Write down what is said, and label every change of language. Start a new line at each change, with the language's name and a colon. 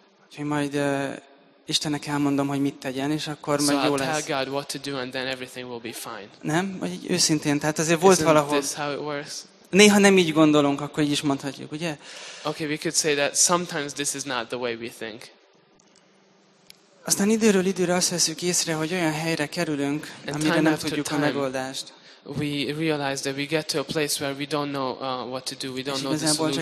Hungarian: Úgyhogy majd Istennek elmondom, hogy mit tegyen, és akkor majd jó lesz.
English: So I tell God what to do, and then everything will be fine.
Hungarian: Nem, vagy őszintén, tehát azért volt valahol.
English: Isn't this how it works?
Hungarian: Néha nem így gondolunk, akkor így is mondhatjuk, ugye?
English: Okay, we could say that sometimes this is not the way we think.
Hungarian: Aztán időről időre azt veszük észre, hogy olyan helyre kerülünk, amire nem tudjuk a megoldást.
English: We realize that we get to a place where we don't know what to do, we don't know the solution.